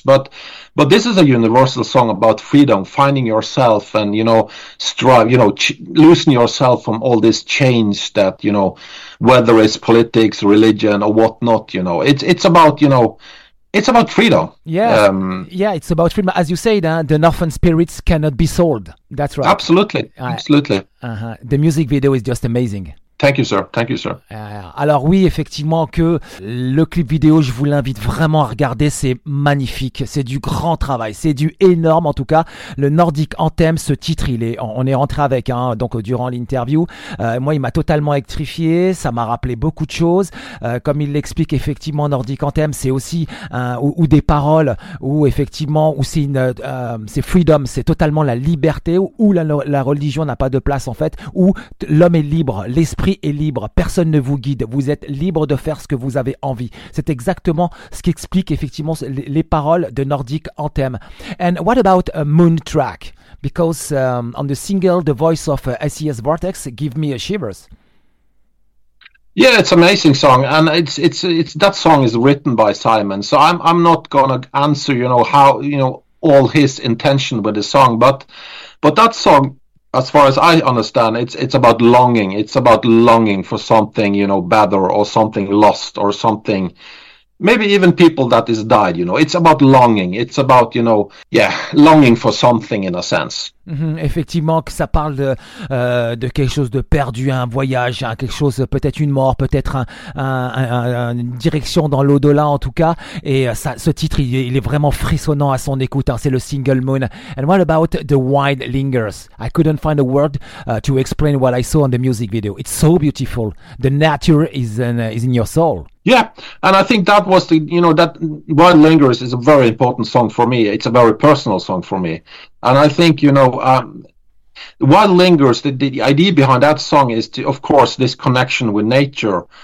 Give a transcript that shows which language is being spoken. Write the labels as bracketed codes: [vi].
[en] But this is a universal song about freedom, finding yourself, and you know, strive, you know, loosen yourself from all this change that, you know, whether it's politics, religion, or whatnot, you know, it's about, you know, it's about freedom. Yeah, it's about freedom. As you said, the Northern spirits cannot be sold. That's right. Absolutely. The music video is just amazing. Thank you, sir. [fr] Alors oui, effectivement, que le clip vidéo, je vous l'invite vraiment à regarder. C'est magnifique. C'est du grand travail. C'est du énorme, en tout cas. Le Nordic Anthem, ce titre, on est rentré avec, hein, donc durant l'interview. Moi, il m'a totalement électrifié. Ça m'a rappelé beaucoup de choses. Comme il l'explique, effectivement, Nordic Anthem, c'est aussi ou des paroles où c'est une c'est freedom, c'est totalement la liberté où la religion n'a pas de place, en fait, où l'homme est libre, l'esprit est libre, personne ne vous guide, vous êtes libre de faire ce que vous avez envie. C'est exactement ce qu'explique effectivement les paroles de Nordic Anthem. [en] And what about a moon track? Because on the single, the voice of SES Vortex give me a shivers. Yeah, it's an amazing song, and it's that song is written by Simon, so I'm not gonna answer, you know, how, you know, all his intention with the song, but that song, as far as I understand, it's about longing. It's about longing for something, you know, better, or something lost, or something. Maybe even people that is died, you know. It's about longing. It's about, you know, yeah, longing for something in a sense. [fr] Effectivement, que ça parle de quelque chose de perdu, un voyage, hein, quelque chose, peut-être une mort, peut-être une direction dans l'au-delà, en tout cas. Et ça, ce titre, il est vraiment frissonnant à son écoute. Hein, c'est le single Moon. [en] And what about The Wind Lingers? I couldn't find a word to explain what I saw on the music video. It's so beautiful. The nature is in your soul. Yeah, and I think that was the, you know, that Wild Lingers is a very important song for me. It's a very personal song for me. And I think, you know, Wild Lingers, the idea behind that song is to, of course, this connection with nature.